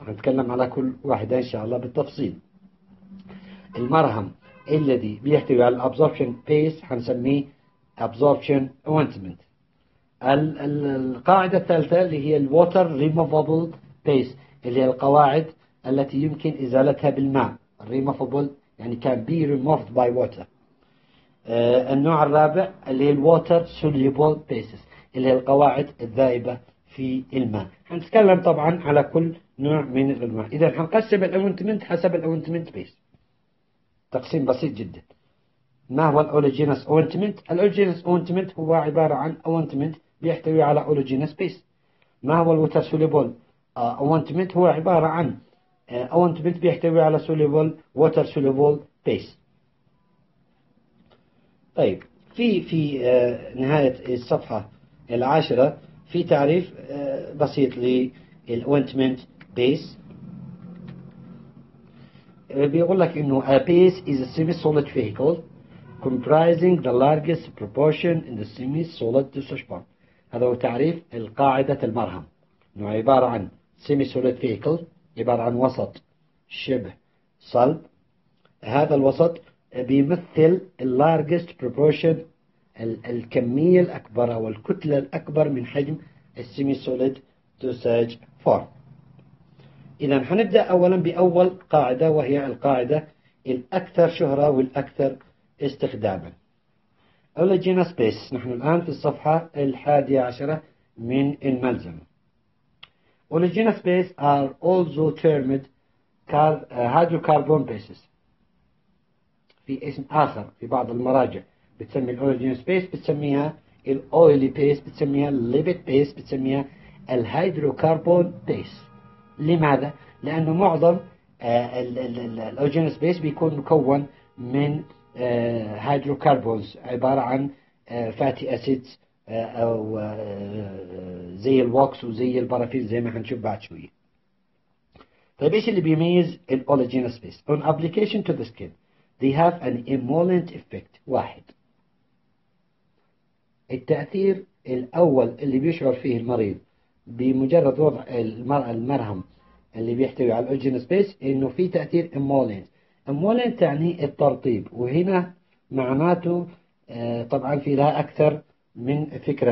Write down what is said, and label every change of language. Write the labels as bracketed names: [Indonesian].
[Arabic] هنتكلم على كل واحدة إن شاء الله بالتفصيل. المرهم الذي بيحتوي على الأبزوربشن بيس هنسميه أبزوربشن أوينتمنت. القاعدة الثالثة اللي هي الووتر ريموفابل بيس، اللي هي القواعد التي يمكن إزالتها بالماء. ريموفابل يعني [English] can be removed by water. [Arabic] النوع الرابع اللي هي الووتر سوليبل بيسز، اللي هي القواعد الذائبه في الماء. هنتكلم طبعا على كل نوع من الانواع. اذا هنقسم الاوينتمنت حسب الاوينتمنت بيس، تقسيم بسيط جدا. ما هو الاوليجينس اوينتمنت؟ الاوليجينس اوينتمنت هو عباره عن اوينتمنت بيحتوي على اوليجينس بيس. ما هو الووتر سوليبل اوينتمنت؟ هو عباره عن اوينتمنت بيحتوي على سوليبل ووتر سوليبل بيس. طيب في نهاية الصفحة العاشرة في تعريف بسيط للأوينتمنت بيس. بيقول لك إنه [English] a base is a semi-solid vehicle comprising the largest proportion in the semi-solid discharge pump. [Arabic] هذا هو تعريف القاعدة المرهم، إنه عبارة عن [English] semi-solid vehicle، [Arabic] عبارة عن وسط شبه صلب. هذا الوسط بيمثل الـ [English] largest proportion، [Arabic] الكمية الأكبر أو الكتلة الأكبر من حجم الـ [English] semi-solid dosage form. [Arabic] إذا هنبدأ أولا بأول قاعدة، وهي القاعدة الأكثر شهرة والأكثر استخداما. Oligenous base، نحن الآن في الصفحة 11 من الملزمة. [English] Oligenous base are also termed hydrocarbon bases. [Arabic] في اسم آخر في بعض المراجع بتسمي الأوليجين سبيس، بتسميها الأويلي بيس، بتسميها الليبيد بيس، بتسميها الهيدروكربون بيس. لماذا؟ لأن معظم الأوليجين سبيس بيكون مكون من هيدروكربونز، عبارة عن فاتي أسيدز أو زي الوكس وزي البرافين زي ما هنشوف بعد شوية. طيب إيش اللي بيميز الأوليجين سبيس؟ [English] On application to the skin they have an emollient effect. [Arabic] واحد، التأثير الأول اللي بيشعر فيه المريض بمجرد وضع المرهم اللي بيحتوي على الأوجين سبيس إنه في تأثير emollient. emollient تعني الترطيب، وهنا معناته طبعا في لها أكثر من فكرة.